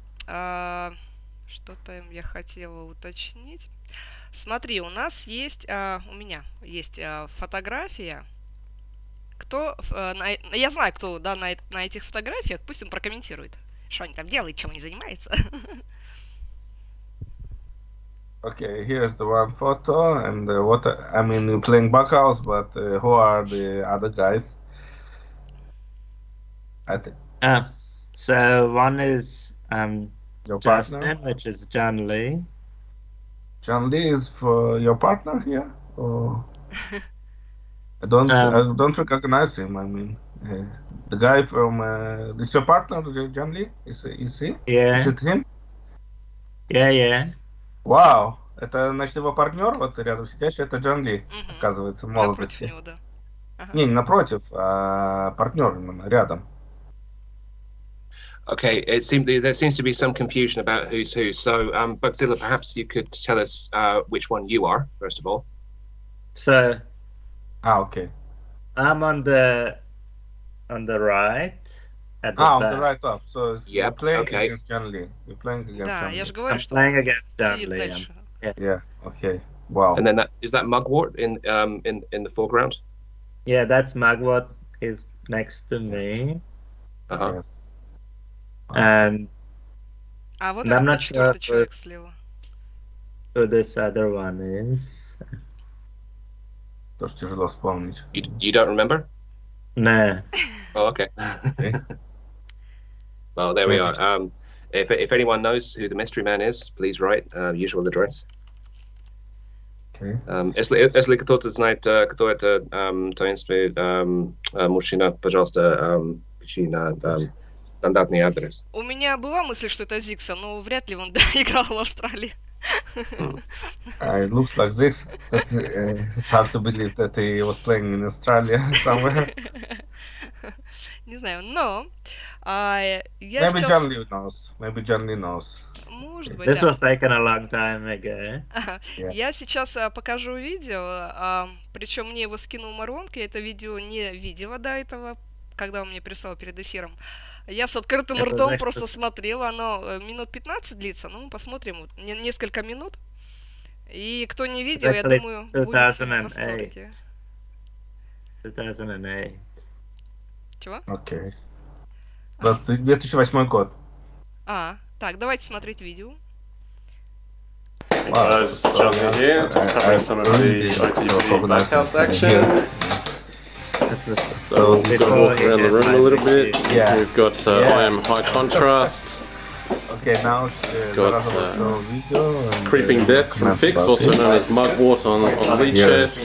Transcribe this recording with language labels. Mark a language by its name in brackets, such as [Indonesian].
[Russian] Что-то я хотела уточнить. Смотри, у нас есть, у меня есть фотография. Кто, я знаю, кто да, на этих фотографиях, пусть он прокомментирует, что они там делают, чем они занимаются. [English] Okay, here's the one photo, and what, I mean, you're playing Bughouse, but who are the other guys? So, one is your Justin, partner? Which is John Lee. John Lee is for your partner here? Or... I don't recognize him. I mean, the guy from is your partner, John Lee? Is he? Yeah. Is it him? Yeah, yeah. [Russian] Wow, это значит его партнер вот рядом сидящий это Джон Ли, оказывается, в молодости. Напротив него, да. Ага. Не, не напротив, а партнер именно рядом. [English] Okay, it seems there seems to be some confusion about who's who. So, Bugzilla, perhaps you could tell us which one you are first of all. So. Ah, okay. I'm on the right. At the on the right top. So yep. You're playing okay. Against John Lee. You're playing against John Lee. [Russian] Говорю, [English] I'm playing against John Lee. Yeah. Yeah, okay. Wow. And then is that Mugwort in the foreground? Yeah, that's Mugwort is next to me. Uh-huh. Yes. And вот I'm not sure who this other one is. [Russian] Тоже тяжело вспомнить. [English] You don't remember? No. Oh, okay. Well, there we are. If anyone knows who the mystery man is, please write usual address. Okay. [Russian] Если кто-то знает, кто это таинственный мужчина, пожалуйста, пиши на стандартный адрес. У меня была мысль, что это Зикса, но вряд ли он играл в Австралии. [English] It looks like this. It's hard to believe that he was playing in Australia somewhere. [Russian] Не знаю, но [English] я Maybe John Lee knows. Maybe John Lee knows. [Russian] Может быть. [English] This was taken a long time ago. [Russian] Я сейчас покажу видео, причем мне его скинул Марлонка. Я это видео не видела до этого, когда он мне прислал перед эфиром. Я с открытым ртом значит, просто что... смотрела, оно минут 15 длится, ну, посмотрим, вот, несколько минут. И кто не видел, я думаю, будет в восторге. 2008. Чего? Окей. Okay. 2008 год. А, так, давайте смотреть видео. [English] Well, this is John Lee here, just covering some of the ITP Bughouse action. So we've got to walk around the room a little bit. Yeah. We've got IM High Contrast. Okay, now got Creeping Death from Fix, also known as Mugwort on Lee Chess.